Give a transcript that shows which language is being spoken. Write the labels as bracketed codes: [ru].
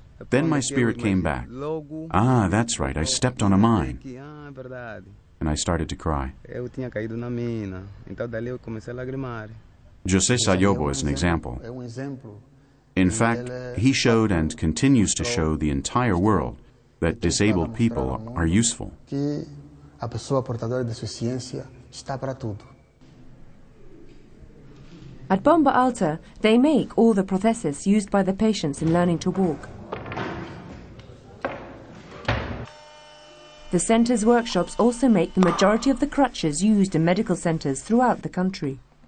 [en] Then my spirit came back. Ah, that's right, I stepped on a mine. And I started to cry. José Sayobo is an example. In fact, he showed and continues to show the entire world that disabled people are useful. [pt] Que a pessoa portadora de deficiência está para tudo. [en] At Bomba Alta, they make all the prostheses used by the patients in learning to walk. The center's workshops also make the majority of the crutches used in medical centers throughout the country.